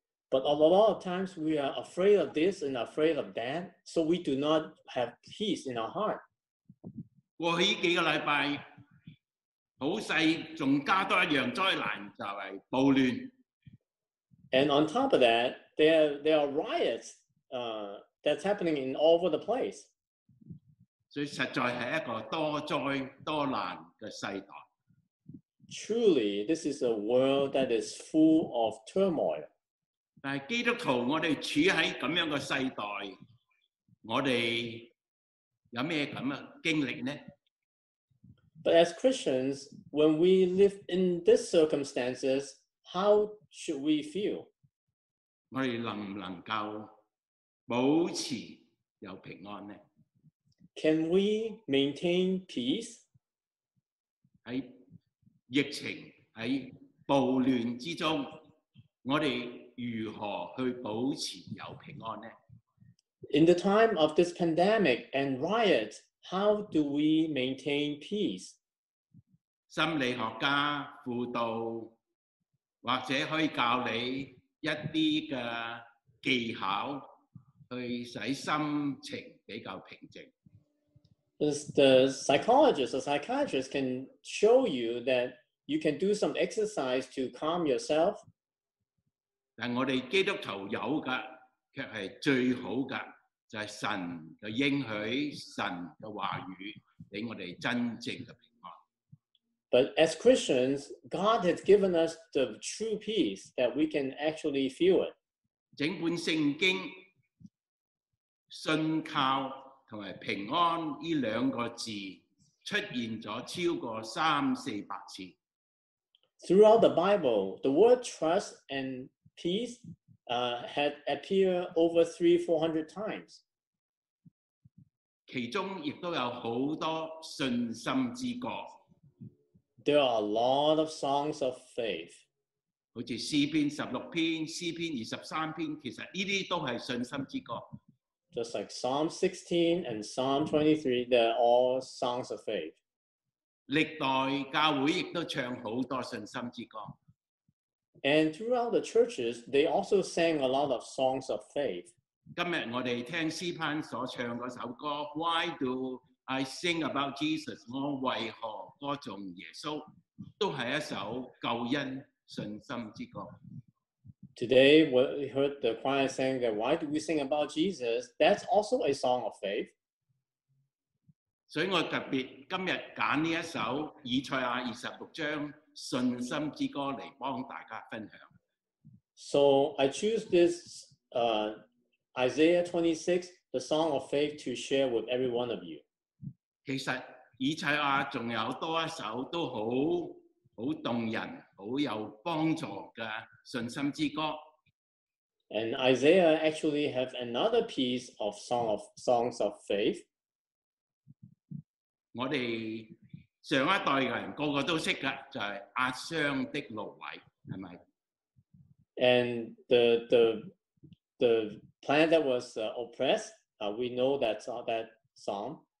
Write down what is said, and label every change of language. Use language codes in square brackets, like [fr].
[en] But a lot of times we are afraid of this and afraid of that, so we do not have peace in our heart. [yue] 過去幾個禮拜，普世仲加多一樣災難，就係暴亂。 [en] And on top of that, there are riots that's happening in all over the place. [yue] 所以實在係一個多災多難嘅世代。 [en] Truly, this is a world that is full of turmoil. [yue] 但基督徒，我哋处喺咁样嘅世代，我哋有咩咁嘅经历呢 [en] ？But as Christians, when we live in these circumstances, how should we feel？ [yue] 我哋能唔能够保持有平安呢 [en] ？Can we maintain peace？ [yue] 喺疫情喺暴乱之中，我哋。如何去保持有平安呢 [en] ？In the time of this pandemic and riots, how do we maintain peace？ [yue] 心理學家輔導或者可以教你一啲嘅技巧，去使心情比較平靜。 [en] The psychologist or psychiatrist can show you that you can do some exercise to calm yourself. [yue] 但我哋基督徒有嘅，却系最好嘅，就系神嘅应许，神嘅话语，俾我哋真正嘅平安。 [en] But as Christians, God has given us the true peace that we can actually feel it. [yue] 整本圣经，信靠同埋平安呢两个字出现咗超过三四百次。 [en] Throughout the Bible, the word trust and peace had appeared over 300-400 times. [yue] 其中亦都有好多信心之歌。 [en] There are a lot of songs of faith. [yue] 好似诗篇十六篇、诗篇二十三篇，其实呢啲都系信心之歌。 [en] Just like Psalm 16 and Psalm 23, they're all songs of faith. [yue] 历代教会亦都唱好多信心之歌。 [en] And throughout the churches, they also sang a lot of songs of faith. [yue] 今天我们听诗班所唱的首歌 Why do I sing about Jesus? 我为何歌颂耶稣都是一首救恩信心之歌。 [en] Today, we heard the choir saying that Why do we sing about Jesus? That's also a song of faith. [yue] 所以我特别今天选这首以赛亚26章信心之歌来帮大家分享。 [en] So I choose this Isaiah 26, the song of faith to share with every one of you. [yue] 其实以赛亚还有多一首都好好动人、好有帮助的信心之歌。 [en] And Isaiah actually have another piece of songs of faith. [yue] 我哋上一代人個個都識嘅，就係壓傷的蘆葦，係咪 [en] ？And the plant that was oppressed, we know that song.